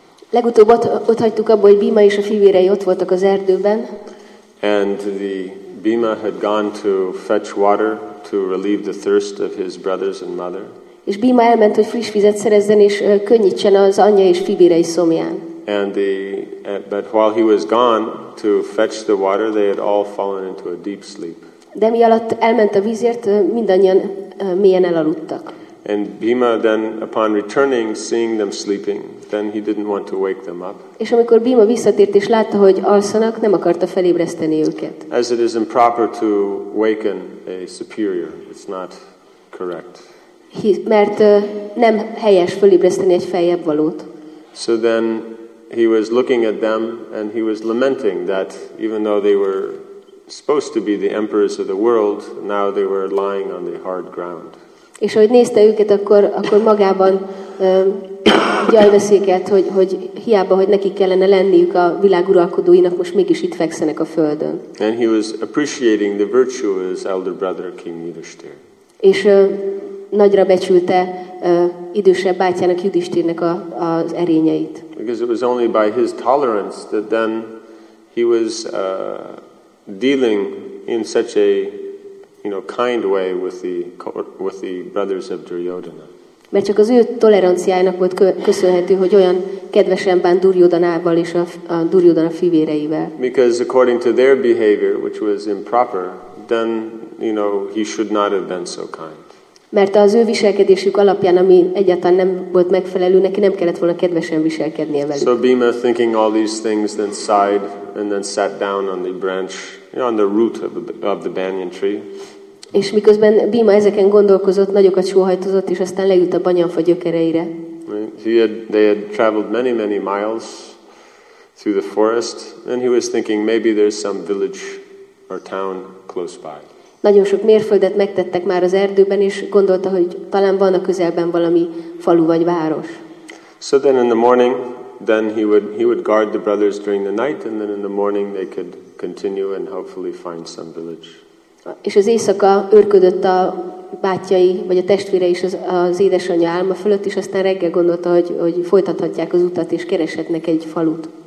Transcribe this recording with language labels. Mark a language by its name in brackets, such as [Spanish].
[Hungarian] Legutóbb ott hagytuk abba, hogy Bhima és a fivérei ott voltak az erdőben. [English] And the Bhima had gone to fetch water to relieve the thirst of his brothers and mother. [Hungarian] És Bhima elment, hogy friss vizet szerezzen és könnyítsen az anyja és fivérei szomján. [English] But while he was gone to fetch the water, they had all fallen into a deep sleep. [Hungarian] De mi alatt elment a vízért, mindannyian mélyen elaludtak. [English] And Bhima then, upon returning, seeing them sleeping, then he didn't want to wake them up. [Hungarian] És amikor Bhima visszatért és látta, hogy alszanak, nem akarta felébreszteni őket. [English] As it is improper to waken a superior, it's not correct. [Hungarian] Mert nem helyes felébreszteni egy feljebb valót. [English] So then he was looking at them and he was lamenting that even though they were supposed to be the emperors of the world, now they were lying on the hard ground. [Hungarian] És ahogy nézte őket, akkor magában gyajveszékelt, hogy hiába, hogy nekik kellene lenniük a világ uralkodóinak, most mégis itt fekszenek a földön. [English] And he was appreciating the virtue of his elder brother, King Yudhisthir. [Hungarian] És nagyra becsülte idősebb bátyának, Yudhisthirnek az erényeit. [English] Because it was only by his tolerance that then he was dealing in such a, you know, kind way with the brothers of Duryodhana. [Hungarian] Mert csak az ő toleranciájának volt köszönhető, hogy olyan kedvesen bánt Duryodhanával és a Duryodhana fivéreivel. [English] Because according to their behavior, which was improper, then, you know, he should not have been so kind. [Hungarian] Mert az ő viselkedésük alapján, ami egyáltalán nem volt megfelelő, neki nem kellett volna kedvesen viselkednie velük. [English] So Bhima, thinking all these things, then sighed and then sat down on the branch, you know, on the root of the banyan tree. [Hungarian] És miközben Bhima ezeken gondolkozott, nagyokat sóhajtozott, és aztán leült a banyanfa gyökereire. [English] They had traveled many, many miles through the forest, and he was thinking maybe there's some village or town close by. [Hungarian] Nagyon sok mérföldet megtettek már az erdőben, és gondolta, hogy talán van a közelben valami falu vagy város. [English] So then in the morning, then he would guard the brothers during the night, and then in the morning they could continue and hopefully find some village. [Hungarian] És az éjszaka őrködött a bátyai, vagy a testvére is az édesanyja álma fölött, és aztán reggel gondolta, hogy folytathatják az utat, és kereshetnek egy falut.